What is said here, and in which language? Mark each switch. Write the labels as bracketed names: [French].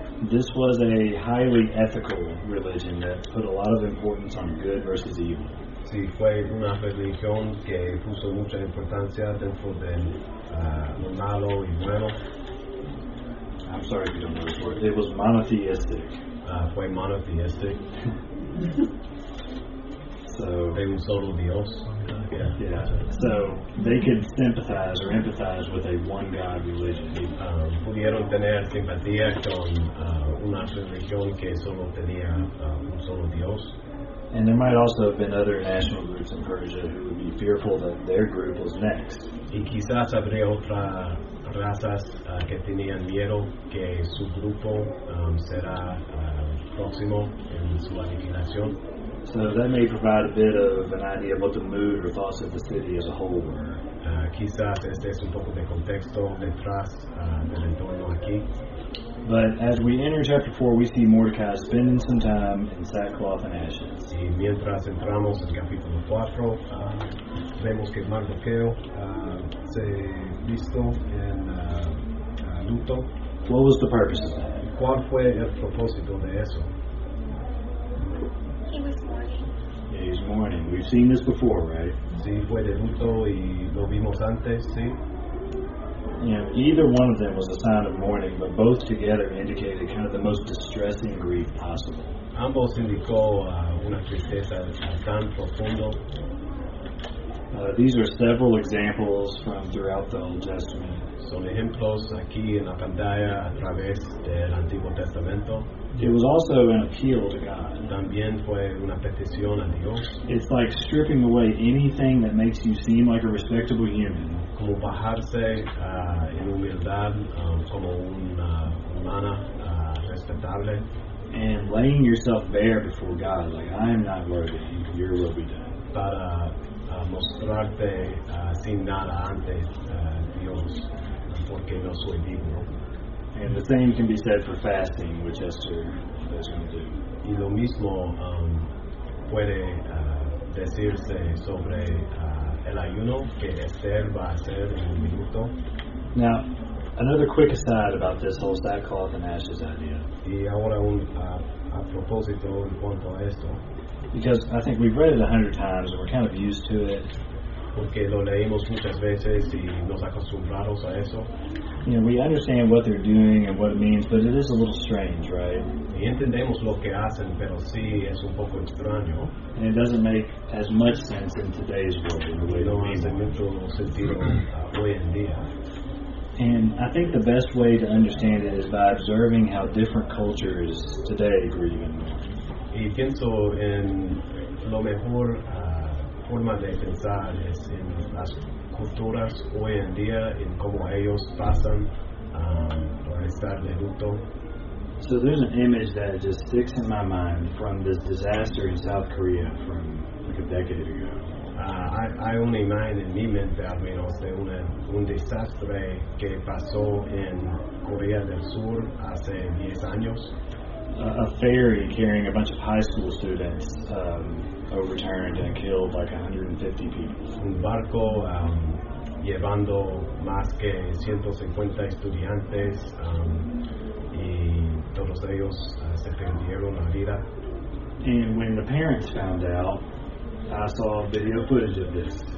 [English] This was a highly ethical religion that put a lot of importance on good versus evil. [Spanish] Sí, fue una religión que puso mucha importancia dentro de lo malo y bueno. [English] I'm sorry if you don't know this word. It was monotheistic. [Spanish] Fue monotheistic. [English] So they were [Spanish] solo dios. [English] Yeah. So they could sympathize or empathize with a one god religion. [Spanish] Pudieron tener simpatía con una religión que solo tenía un solo dios. [English] And there might also have been other national groups in Persia who would be fearful that their group was next. [Spanish] Y quizás habría otra razas que tenían miedo que su grupo será próximo en su aniquilación. [English] So that may provide a bit of an idea of what the mood or thoughts of the city as a whole were. [Spanish] Quizás este es un poco de contexto detrás del entorno aquí. [English] But as we enter chapter 4, we see Mordecai spending some time in sackcloth and ashes. [Spanish] Y mientras entramos en capítulo 4, vemos que Mordecai se visto en Naruto. [English] What was the purpose of that? [Spanish] ¿Cuál fue el propósito de eso? [English] He was mourning. Yeah, he's mourning. We've seen this before, right? [Spanish] Sí, fue de luto y lo vimos antes, sí. [English] You know, either one of them was a sign of mourning, but both together indicated kind of the most distressing grief possible. [Spanish] Ambos indicó una tristeza tan profundo. [English] These are several examples from throughout the Old Testament. [Spanish] Son ejemplos aquí en la pantalla a través del Antiguo Testamento. [English] It was also an appeal to God. [Spanish] También fue una petición a Dios. [English] It's like stripping away anything that makes you seem like a respectable human. [Spanish] Como bajarse en humildad como una humana respetable. [English] And laying yourself bare before God, like, I am not worthy, your will be done. [Spanish] Para mostrarte sin nada antes Dios, porque no soy digno. [English] And the same can be said for fasting, which Esther is going to do. [Spanish] Y lo mismo puede decirse sobre el ayuno que Esther va a hacer en un minuto. [English] Now, another quick aside about this whole sackcloth and ashes idea. [Spanish] Y ahora un a propósito en cuanto a esto. [English] Because I think we've read it 100 times and we're kind of used to it. [Spanish] Porque lo leímos muchas veces y nos acostumbramos a eso. [English] You know, we understand what they're doing and what it means, but it is a little strange, right? [Spanish] Y entendemos lo que hacen, pero sí es un poco extraño. [English] And it doesn't make as much sense in today's world. In the way [Spanish] no hace mucho sentido hoy en día. [English] And I think the best way to understand it is by observing how different cultures today grieve. [Spanish] Y pienso en lo mejor forma de pensar es en las culturas hoy en día en cómo ellos pasan por estar de luto. [English] So there's an image that just sticks in my mind from this disaster in South Korea from like a decade ago. [Spanish] Hay una imagen en mi mente al menos de un desastre que pasó en Corea del Sur hace 10 años. [English] A ferry carrying a bunch of high school students overturned and killed like 150 people. [Spanish] Un barco llevando más que 150 estudiantes y todos ellos se perdieron la vida. [English] And when the parents found out, I saw video footage of this.